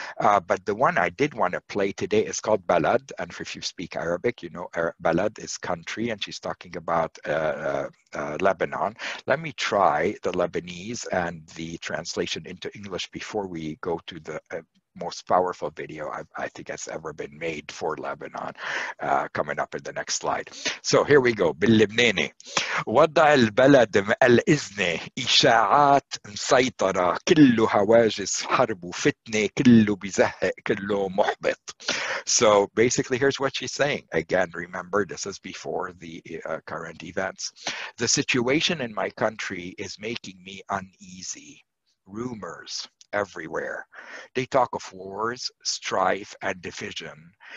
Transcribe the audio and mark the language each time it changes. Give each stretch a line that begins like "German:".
English: But the one I did want to play today is called Balad. And if you speak Arabic, you know Balad is country, and she's talking about Lebanon. Let me try the Lebanese and the translation into English before we go to the most powerful video I think has ever been made for Lebanon, coming up in the next slide. So here we go.
Arabic: باللبناني وضع البلد الإذن إشاعات مسيطرة كله هواجس حرب وفتنة كله بزهق كله محبط.
English: So basically, here's what she's saying. Again, remember, this is before the current events. The situation in my country is making me uneasy. Rumors everywhere. They talk of wars, strife, and division.